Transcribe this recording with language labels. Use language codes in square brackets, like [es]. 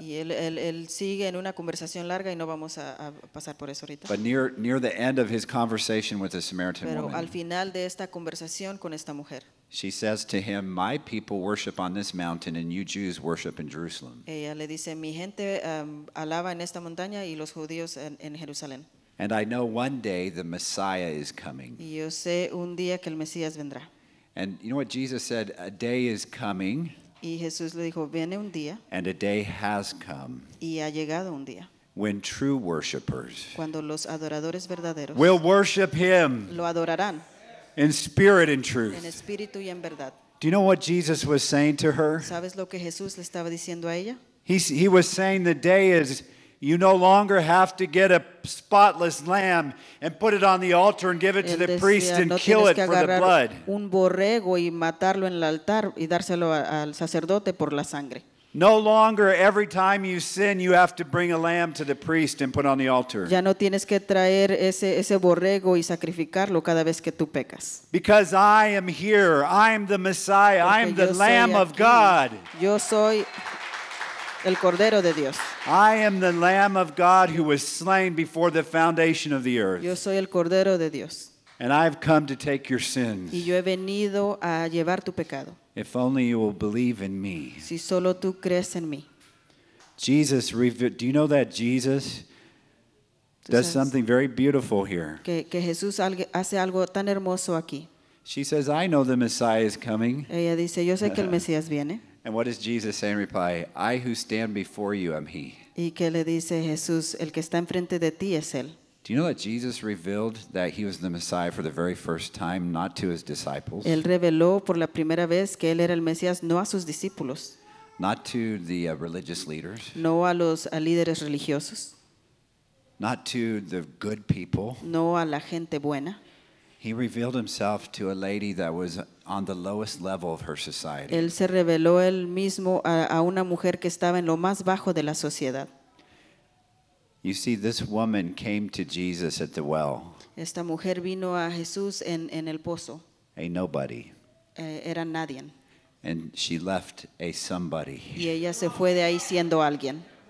[es] Y él sigue en una conversación larga y no vamos a pasar por eso ahorita. [en] But near the end of his conversation with the Samaritan [es] Pero Pero al final de esta conversación con esta mujer. [en] She says to him, "My people worship on this mountain, and you Jews worship in Jerusalem." [es] Ella le dice, "Mi gente alaba en esta montaña y los judíos en Jerusalén." [en] And I know one day the Messiah is coming. [es] Y yo sé un día que el Mesías vendrá. [en] And you know what Jesus said? A day is coming. [es] Y Jesús le dijo, "Viene un día." [en] And a day has come. [es] Y ha llegado un día. [en] When true worshipers. [es] Cuando los adoradores verdaderos. [en] Will worship Him. [es] Lo adorarán. [en] In spirit and truth. [es] En espíritu y en verdad. [en] Do you know what Jesus was saying to her? [es] ¿Sabes lo que Jesús le estaba diciendo a ella? [en] He was saying the day is you no longer have to get a spotless lamb and put it on the altar and give it [es] Él [en] to the [es] decía, [en] priest and [es] no [en] kill it for the blood. [es] Un borrego y matarlo en el altar y dárselo al sacerdote por la sangre. [en] No longer every time you sin you have to bring a lamb to the priest and put on the altar. [es] Ya no tienes que traer ese borrego y sacrificarlo cada vez que tú pecas. [en] Because I am here, I am the Messiah, [es] Porque [en] I am the Lamb [es] aquí. [en] Of God. [es] Yo soy el Cordero de Dios. [en] I am the Lamb of God who was slain before the foundation of the earth. [es] Yo soy el Cordero de Dios. [en] And I've come to take your sins. [es] Y yo he venido a llevar tu pecado. [en] If only you will believe in me. [es] Si solo tú crees en mí. [en] Jesus, do you know that Jesus does something very beautiful here? [es] Que Jesús hace algo tan hermoso aquí. [en] She says, "I know the Messiah is coming." [es] Ella dice, "Yo sé que el Mesías viene." [en] And what does Jesus say in reply? "I who stand before you am He." [es] Y qué le dice Jesús, el que está enfrente de ti es él. [en] Do you know that Jesus revealed that he was the Messiah for the very first time, not to his disciples? [es] Él reveló por la primera vez que él era el Mesías, no a sus discípulos. [en] Not to the religious leaders. [es] No a los líderes religiosos. [en] Not to the good people. [es] No a la gente buena. [en] He revealed himself to a lady that was on the lowest level of her society. [es] Él se reveló él mismo a una mujer que estaba en lo más bajo de la sociedad. [en] You see, this woman came to Jesus at the well. [es] Esta mujer vino a Jesús en el pozo. [en] A nobody. [es] Era nadie. [en] And she left a somebody. [es] Y ella se fue de ahí siendo alguien.